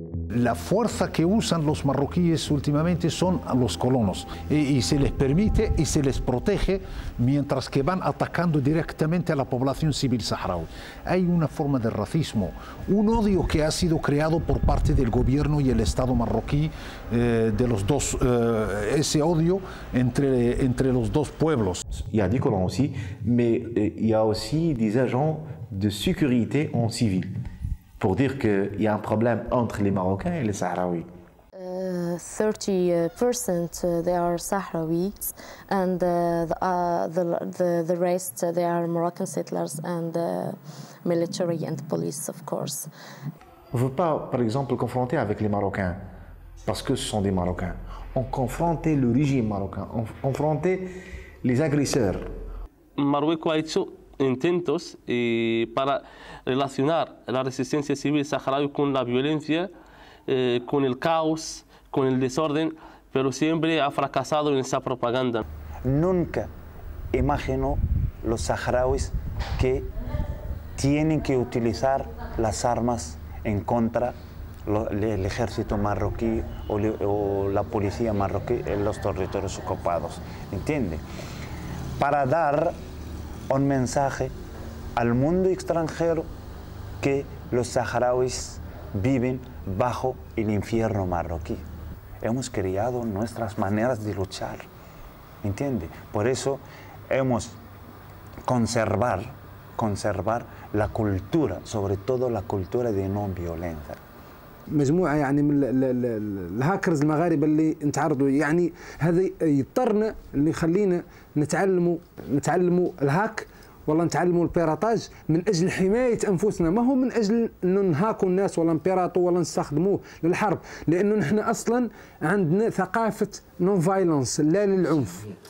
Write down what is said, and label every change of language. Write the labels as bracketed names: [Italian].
[Spanish] La fuerza que usan los marroquíes últimamente son los colonos y se les permite y se les protege mientras que van atacando directamente a la población civil saharaui. Hay una forma de racismo, un odio que ha sido creado por parte del gobierno y el Estado marroquí de los dos, ese odio entre los dos pueblos. [French] Il y a des colons aussi, mais il y a aussi des agents de sécurité en civil. Pour dire qu'il y a un problème entre les Marocains et les Sahraouis. [English] 30% they are Sahraouis and the rest they are Moroccan settlers and military and police of course. [French] On ne veut pas par exemple confronter avec les Marocains parce que ce sont des Marocains. On confronte le régime marocain, on confronte les agresseurs. [Spanish] Marocco [French] a fait [Spanish] intentos para relacionar la resistencia civil saharaui con la violencia, con el caos, con el desorden, pero siempre ha fracasado en esa propaganda. Nunca imagino los saharauis que tienen que utilizar las armas en contra del ejército marroquí o la policía marroquí en los territorios ocupados, ¿entiendes? Para dar un mensaje al mundo extranjero que los saharauis viven bajo el infierno marroquí. Hemos creado nuestras maneras de luchar, ¿entiende? Por eso hemos conservar la cultura, sobre todo la cultura de no violencia. [Arabic] مجموعة يعني من الهاكرز المغاربة اللي نتعرضوا يعني هذا يضطرنا اللي يخلينا نتعلموا الهاك ولا نتعلموا البيراتاج من أجل حماية أنفسنا ما هو من أجل أن نهاكوا الناس ولا نبيراتوا ولا نستخدموه للحرب لأنه نحن أصلا عندنا ثقافة نون فايلنس لا للعنف